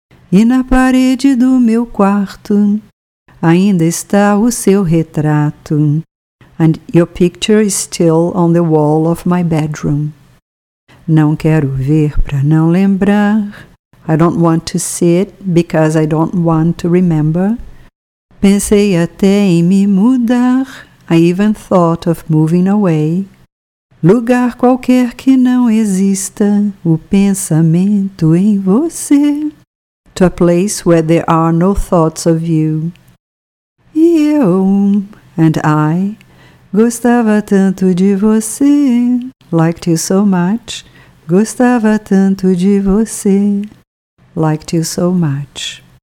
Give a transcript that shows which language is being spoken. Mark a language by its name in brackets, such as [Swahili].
[Portuguese] E na parede do meu quarto ainda está o seu retrato. [English] And your picture is still on the wall of my bedroom. [Portuguese] Não quero ver para não lembrar. [English] I don't want to see it because I don't want to remember. [Portuguese] Pensei até em me mudar. [English] I even thought of moving away. [Portuguese] Lugar qualquer que não exista o pensamento em você. [English] To a place where there are no thoughts of you. [Portuguese] E eu [English] and I [Portuguese] gostava tanto de você. [English] Liked you so much. [Portuguese] Gostava tanto de você. [English] Liked you so much.